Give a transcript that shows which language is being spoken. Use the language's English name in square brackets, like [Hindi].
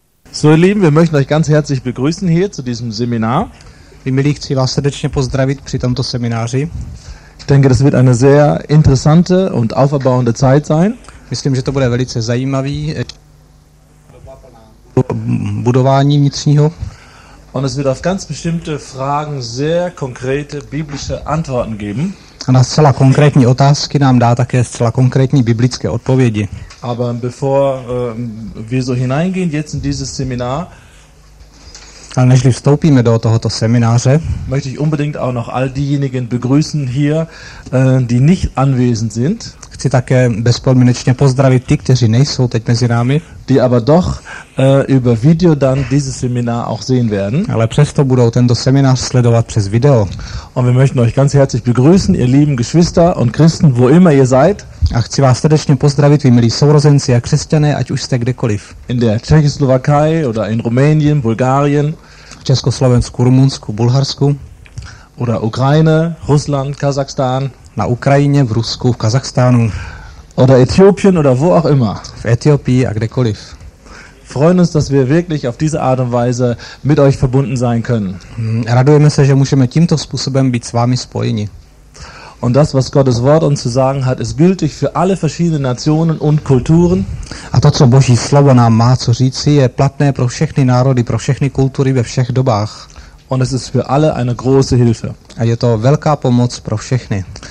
[German] So, ihr Lieben, wir möchten euch ganz herzlich begrüßen hier zu diesem Seminar. Ich denke, das wird eine sehr interessante und aufbauende Zeit sein. [Czech] Myslím, že to bude velice zajímavý budování vnitřního. [German] Und es wird auf ganz bestimmte Fragen sehr konkrete biblische Antworten geben. [Czech] A na zcela konkrétní otázky nám dá také zcela konkrétní biblické odpovědi. [German] Aber bevor wir so hineingehen jetzt in dieses Seminar, [Czech] ale nežli vstoupíme do tohoto semináře, [German] möchte ich unbedingt auch noch all diejenigen begrüßen hier, die nicht anwesend sind. [Czech] Chci také bezpodmínečně pozdravit ty, kteří nejsou teď mezi námi, [German] die aber doch über Video dann dieses Seminar auch sehen werden. [Czech] Ale přesto budou tento seminář sledovat přes video. [German] Und wir möchten euch ganz herzlich begrüßen, ihr lieben Geschwister und Christen, wo immer ihr seid. [Czech] A chci vás srdečně pozdravit, vy milí sourozenci a křesťané, ať už jste kdekoliv. [German] In der Tschechoslowakei oder in Rumänien, Bulgarien, [Czech] Československu, Rumunsku, Bulharsku, [German] oder Ukraine, Russland, Kazachstan, [Czech] na Ukrajině, v Rusku, v Kazachstánu, [German] oder Äthiopien oder wo auch immer, [Czech] v Äthiopii a kdekoliv. [German] Freuen uns, dass wir wirklich auf diese Art und Weise mit euch verbunden sein können. [Czech] Radujeme se, že můžeme tímto způsobem být s vámi spojeni. [German] Und das, was Gottes Wort uns zu sagen hat, ist gültig für alle verschiedenen Nationen und Kulturen. [Czech] A to, co Boží slovo nám má co říci, je platné pro všechny národy, pro všechny kultury ve všech dobách. [German] Und es ist für alle eine große Hilfe. [Czech] A je to velká pomoc pro všechny.